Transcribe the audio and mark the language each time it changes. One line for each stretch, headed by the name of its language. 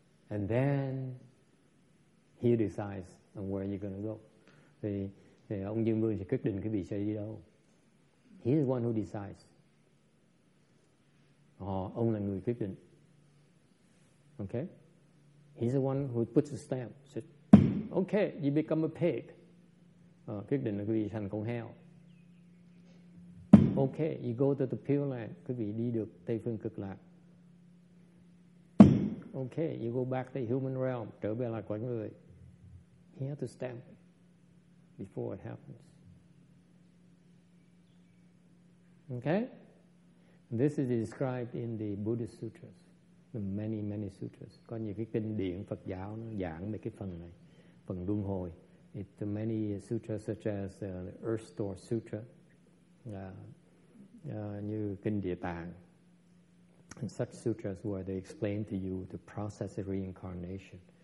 English: And then he decides on where you're going to go.
Vietnamese: Thì ông Dương Vương sẽ quyết định cái vị sẽ đi đâu.
English: He is the one who decides.
Vietnamese: Ông là người quyết định.
English: Okay? He's the one who puts a stamp. Says, okay, you become a pig.
Vietnamese: Quyết định là quý vị thành con heo.
English: Okay, you go to the pure land.
Vietnamese: Quý vị đi được Tây Phương Cực Lạc.
English: Okay, you go back to the human realm.
Vietnamese: Trở về là quả người.
English: He had to stamp it before it happens. Okay? This is described in the Buddhist sutras. The many, many sutras.
Vietnamese: Có nhiều cái kinh điển Phật giáo nó giảng về cái phần này. Phần luân hồi.
English: It's the many sutras such as the Earth Store Sutra.
Vietnamese: Như kinh Địa Tạng.
English: And such sutras where they explain to you the process of reincarnation.